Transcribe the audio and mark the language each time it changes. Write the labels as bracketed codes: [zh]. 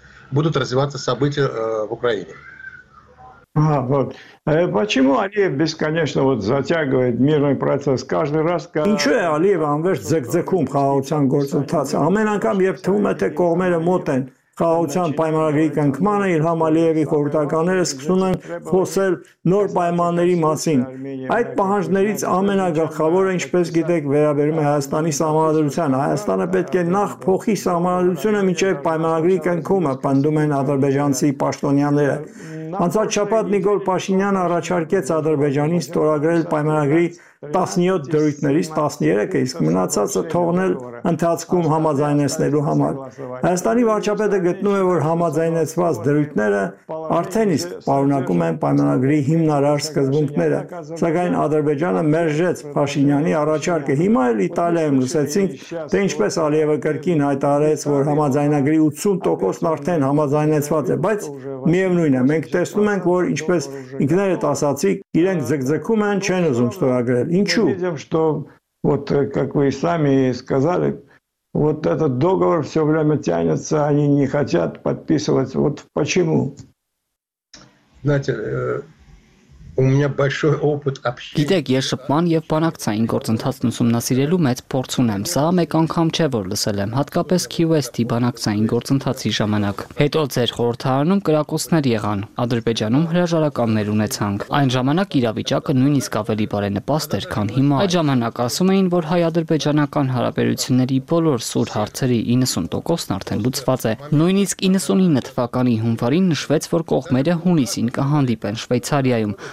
[ru] Будут развиваться события в Украине. А, вот. Почему Алиев бесконечно вот затягивает мирный процесс каждый раз? [hy] Ինչու է Ալիևը անվերջ ձգձգում խաղաղության գործընթացը, ամեն անգամ երբ թվում է թե կողմերը մոտ են խաղաղության պայմանագրի կնքմանը, Իլհամ Ալիևի խորհրդականները սկսում են խոսել նոր պայմանների մասին։ Այդ պահանջներից ամենագլխավորը, ինչպես գիտեք, վերաբերում է Հայաստանի սահմանադրությանը։ Հայաստանը պետք է նախ փոխի սահմանադրությունը, մինչև պայմանագրի կնքումը, պնդում են ադրբեջանցի պաշտոնյաները։ Անցած շաբաթ Նիկոլ Փաշինյանը առաջարկեց Ադրբեջանին ստորագրել պայմանագրի 17 դրույթներից 13-ը, իսկ մնացածը թողնել ընթացքում համաձայնեցնելու համար։ Հայաստանի վարչապետը գտնում է, որ համաձայնեցված դրույթները արդեն իսկ պարունակում են պայմանագրի հիմնարար սկզբունքները, սակայն Ադրբեջանը մերժեց Փաշինյանի առաջարկը։ Հիմա էլ Իտալիայում լսեցինք, թե ինչպես Ալիևը կրկին հայտարարեց, որ համաձայնագրի 80%-ն արդեն համաձայնեցված է, բայց միևնույն է, մենք տեսնում ենք, որ ինչպես ինքներդ ասացի, իրենք ձգձգում են, չեն ուզում ստորագրել։ Ինչու? [ru] Мы видим, что вот как вы сами сказали, вот этот договор все время тянется, они не хотят подписывать. Вот почему? Знаете, у меня большой опыт общения. [hy] Գիտեք, ես շփման եւ բանակցային գործընթացն ուսումնասիրելու մեծ փորձ ունեմ։ Սա մեկ անգամ չէ, որ լսել եմ, հատկապես QST բանակցային գործընթացի ժամանակ։ Հետո ձեր խորհրդարանում կրակոցներ եղան, Ադրբեջանում հրաժարականներ ունեցանք։ Այն ժամանակ իրավիճակը նույնիսկ ավելի բարենպաստ էր, քան հիմա։ Այդ ժամանակ ասում էին, որ հայ-ադրբեջանական հարաբերությունների բոլոր սուր հարցերի 90%-ն արդեն լուծված է։ Նույնիսկ 99 թվականի հունվարին նշվեց, որ կողմերը հունիսին կհանդիպեն Շվեյցարիայում,